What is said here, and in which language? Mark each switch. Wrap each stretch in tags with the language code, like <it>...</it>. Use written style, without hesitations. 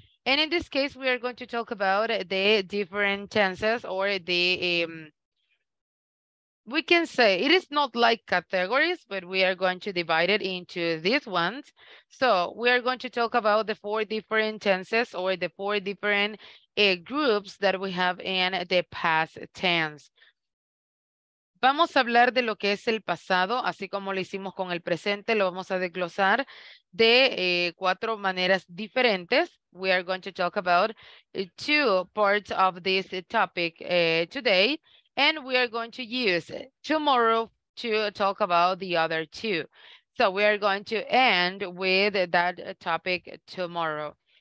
<en>And in this case, we are going to talk about the different tenses or the, we can say, it is not like categories, but we are going to divide it into these ones. So we are going to talk about the four different tenses or the four different groups that we have in the past tense.</en> <es>Vamos a hablar de lo que es el pasado, así como lo hicimos con el presente, lo vamos a desglosar de cuatro maneras diferentes.</es> <en>We are going to talk about two parts of this topic today, and we are going to use tomorrow to talk about the other two. So we are going to end with that topic tomorrow.</en>